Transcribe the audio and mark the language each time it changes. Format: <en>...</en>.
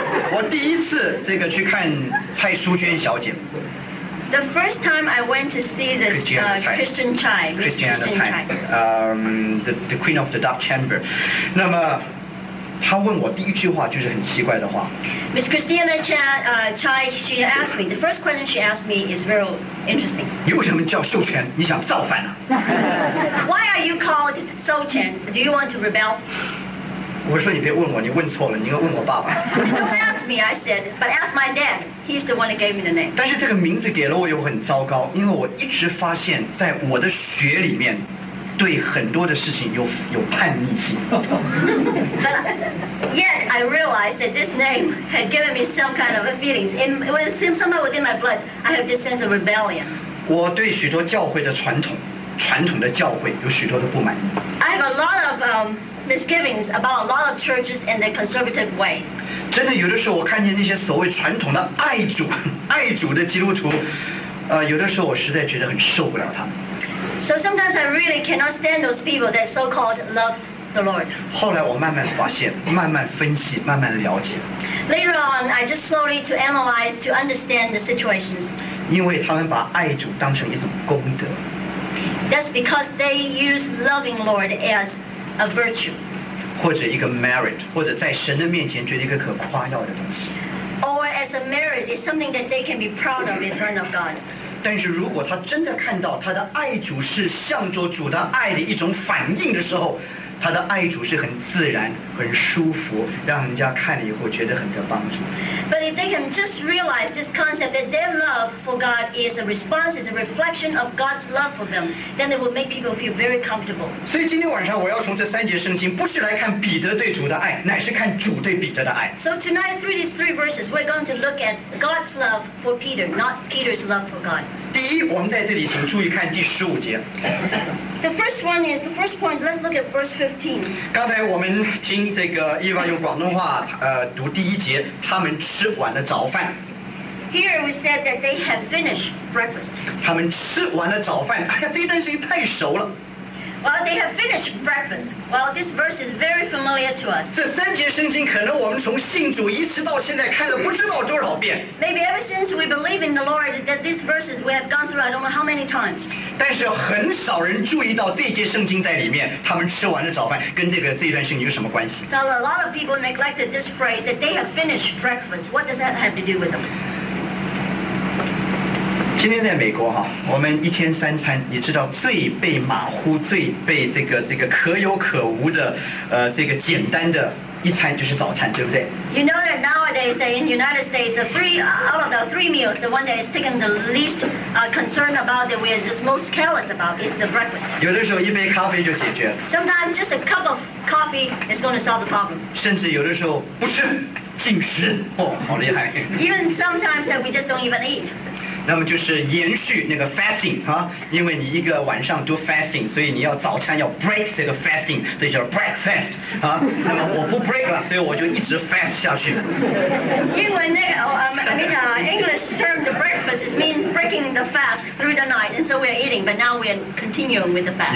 <zh>我第一次这个去看蔡淑娟小姐。</zh> <en>The first time I went to see this Christian Chai. Christian Chai. The Queen of the Dark Chamber.</en> <zh>那么她问我第一句话就是很奇怪的话。</zh> <en>Miss Christiana Chai, she asked me, the first question she asked me is very interesting.</en> <zh>你为什么叫秀全？你想造反啊</zh> <en>？Why are you called Shou Quan? Do you want to rebel?</en> <zh>我说你别问我，你问错了，你应该问我爸爸。</zh> <en>Don't ask me, I said, but ask my dad. He's the one that gave me the name.</en> <zh>但是这个名字给了我又很糟糕，因为我一直发现，在我的血里面，对很多的事情有叛逆性。</zh> <en>But yet I realized that this name had given me some kind of feelings. It was somewhere within my blood. I have this sense of rebellion.</en> <zh>我对许多教会的传统的教会有许多的不满。</zh> <en>I have a lot of misgivings about a lot of churches and their conservative ways.</en> <zh>真的，有的时候我看见那些所谓传统的爱主的基督徒，有的时候我实在觉得很受不了他们。</zh> <en>So sometimes I really cannot stand those people that so-called love the Lord.</en> <zh>后来我慢慢发现，慢慢分析，慢慢了解。</zh> <en>Later on, I just slowly to analyze to understand the situations.</en> <zh>因为他们把爱主当成一种功德。</zh> <en>That's because they use loving Lord as a virtue.</en> <zh>或者一个 merit, 或者在神的面前觉得一个可夸耀的东西。</zh> <en>Or as a merit, it's something that they can be proud of in front of God.</en> <zh>但是如果他真的看到他的爱主是向着主的爱的一种反应的时候，他的爱主是很自然很舒服，让人家看了以后觉得很得帮助。</zh> <en>But if they can just realize this concept that their love for God is a response, is a reflection of God's love for them, then it will make people feel very comfortable.</en> <zh>所以今天晚上我要从这三节圣经不是来看彼得对主的爱，乃是看主对彼得的爱。</zh> <en>So tonight through these three verses we're going to look at God's love for Peter, not Peter's love for God.</en> <zh>第一，我们在这里请注意看第十五节。</zh> <en>The first one is, the first point, let's look at verse 15.</en> <zh>刚才我们听这个伊娃用广东话读第一节，他们吃完了早饭。</zh> <en>Here we said that they have finished breakfast.</en> <zh>他们吃完了早饭，哎呀，这一段声音太熟了。</zh> <en>Well, they have finished breakfast. Well, this verse is very familiar to us.</en> <zh>这三节圣经可能我们从信主一直到现在看了不知道多少遍。</zh> <en>Maybe ever since we believe in the Lord that these verses we have gone through, I don't know how many times.</en> <zh>但是很少人注意到这节圣经在里面，他们吃完了早饭，跟这段圣经有什么关系</zh> <en>？So a lot of people neglected this phrase that they have finished breakfast. What does that have to do with them?</en> <zh>今天在美国哈，我们一天三餐，你知道最被马虎、最被这个可有可无的这个简单的。一餐就是早餐，对不对</zh> <en>？You know that nowadays in United States, the three meals, the one that is taken the least concern about, that we are just most careless about, is the breakfast.</en> <zh>有的时候一杯咖啡就解决。</zh> <en>Sometimes just a cup of coffee is going to solve the problem.</en> <zh>甚至有的时候不吃进食，哦，好厉害。</zh> <en>Even sometimes that we just don't even eat.</en> <zh>那么就是延续那个 fasting 啊，因为你一个晚上都 fasting， 所以你要早餐要 break 这个 fasting， 所以叫 breakfast 啊。那么我不 break 了，所以我就一直 fast 下去。英文那个</zh> <en>English term the breakfast is mean breaking the fast through the night， and so we are eating， but now we are continuing with the fast。</en>